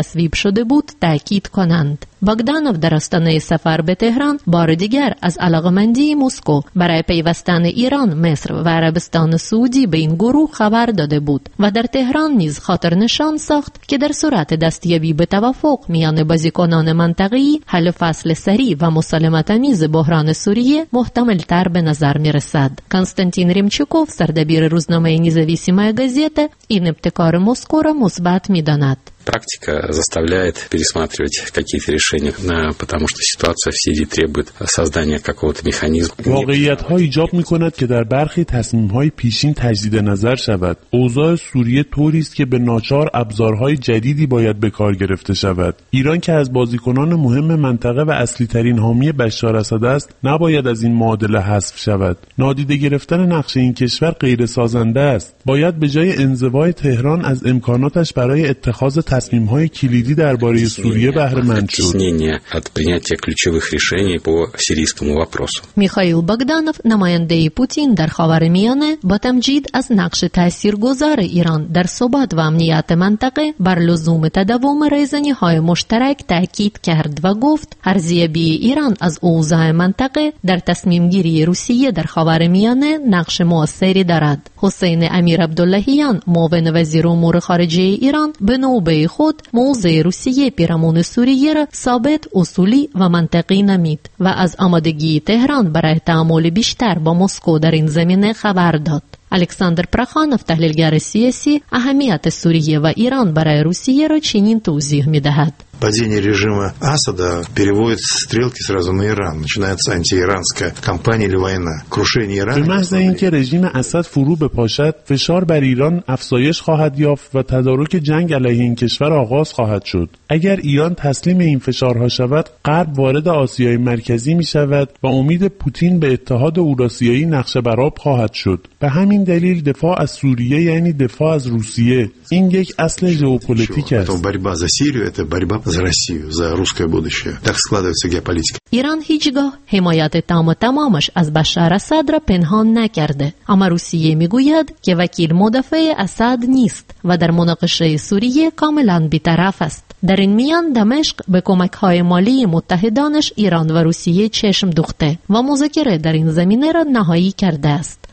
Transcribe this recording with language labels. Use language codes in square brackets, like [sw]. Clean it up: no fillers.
[fa] تصویب شده بود تأکید کنند. بوگدانوف در آستانه سفر به تهران بار دیگر از علاقمندی موسکو برای پیوستن ایران، مصر و عربستان سعودی به این گروه خبر داده بود و در تهران نیز خاطر نشان ساخت که در صورت دستیابی به توافق میان بازیکنان منطقه‌ای، حل فصل سریع و مسالمت‌آمیز بحران سوریه محتمل تر به نظر می رسد. کنستانتین ریمچوکوف، سردبیر روزنامه نزاویسیمایا گازیتا، این ابتکار موسکو را مثبت می داند. [ru] Практика заставляет пересматривать какие-то решения, потому что ситуация в Сирии требует создания какого-то механизма. [fa] واقعیت‌ها ایجاب می‌کند که در برخی تصمیم‌های پیشین تجدید نظر شود. اوضاع سوریه طوری است که به ناچار ابزارهای جدیدی باید به کار گرفته شود. ایران که از بازیکنان مهم منطقه و اصلی‌ترین حامی بشار اسد است، نباید از این معادله حذف شود. نادیده گرفتن نقش این کشور غیر سازنده است. باید به جای انزوای تهران از امکاناتش برای اتخاذ تصمیم‌های کلیدی درباره سوریه بهره‌مند شود. [ru] از принятие ключевых решений по сирийскому вопросу. [fa] میخائیل بوگدانوف، نماینده پوتین در خاورمیانه، با تمجید از نقش تاثیرگذار ایران در ثبات و امنیت منطقه بر لزوم تداوم ریزنی‌های مشترک تاکید کرد و گفت ارزیابی ایران از اوضاع منطقه در تصمیم‌گیری روسیه در خاورمیانه نقش مؤثری دارد. حسین امیر عبداللهیان، معاون وزیر امور خارجه ایران، به نوبه خود موضع روسیه پیرامون سوریه را ثابت، اصولی و منطقی نمید و از آمادگی تهران برای تعامل بیشتر با موسکو در این زمینه خبر داد. الکساندر پرخانوف، تحلیلگر سیاسی، اهمیت سوریه و ایران برای روسیه را چنین توضیح می دهد. [ru] Падение режима Асада переводит стрелки сразу на Иран. Начинается антииранская кампания или война. Крушение Ирана. [fa] به محض اینکه رژیم اسد فرو بپاشد، فشار بر ایران افزایش خواهد یافت و تدارک جنگ علیه این کشور آغاز خواهد شد. اگر ایران تسلیم این فشارها شود، غرب وارد آسیای مرکزی می شود و امید پوتین به اتحاد اوراسیایی نقش بر آب خواهد شد. به همین دلیل دفاع از سوریه یعنی دفاع از روسیه. این یک اصل ژئوپلیتیک است. [ru] За Россию, за русское будущее. Так складывается геополитика. [fa] Иран هیچگاه حمایت تام و تمامش از بشار اسد را پنهان نکرده. اما روسیه میگوید که وکیل مدافع اسد نیست و در مناقشه سوریه کاملا بی‌طرف است. در این میان دمشق به کمک‌های مالی متحدانش ایران و روسیه چشم دوخته و مذاکره در این زمینه را نهایی کرده است.